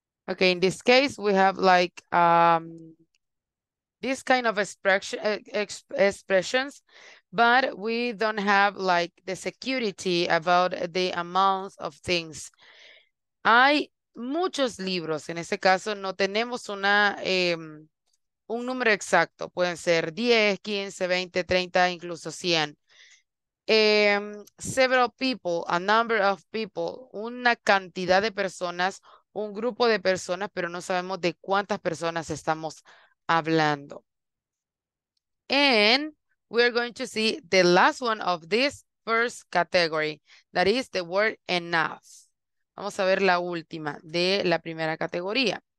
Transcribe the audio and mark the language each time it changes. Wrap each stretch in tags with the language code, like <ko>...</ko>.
<en>Okay, in this case, we have like these kind of expressions, but we don't have like the security about the amount of things.</en> <es>Hay muchos libros. En este caso, no tenemos una un número exacto. Pueden ser 10, 15, 20, 30, incluso 100.</es> <en>Several people, a number of people,</en> <es>una cantidad de personas, un grupo de personas, pero no sabemos de cuántas personas estamos hablando.</es> <en>And we're going to see the last one of this first category, that is the word enough.</en> <es>Vamos a ver la última de la primera categoría.</es>